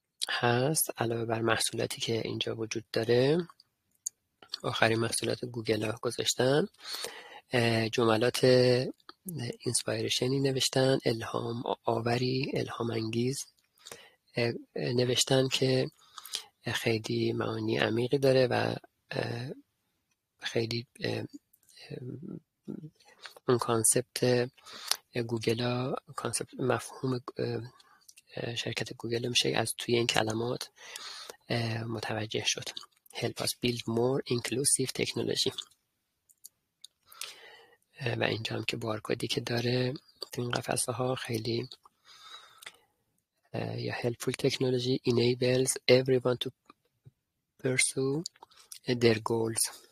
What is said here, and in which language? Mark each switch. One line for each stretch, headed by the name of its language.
Persian: هست، علاوه بر محصولاتی که اینجا وجود داره، آخرین محصولات گوگل ها گذاشتن، جملات اینسپایرشنی نوشتن، الهام آوری، الهام انگیز نوشتن که خیلی معانی عمیقی داره و خیلی اون کانسپت گوگل، کانسپت مفهوم شرکت گوگل میشه از توی این کلمات متوجه شد.
English: Help us build more inclusive technology.
Persian: و اینجا هم که بارکودی که داره تو این قفسه ها خیلی، یا
English: helpful technology enables everyone to pursue their goals.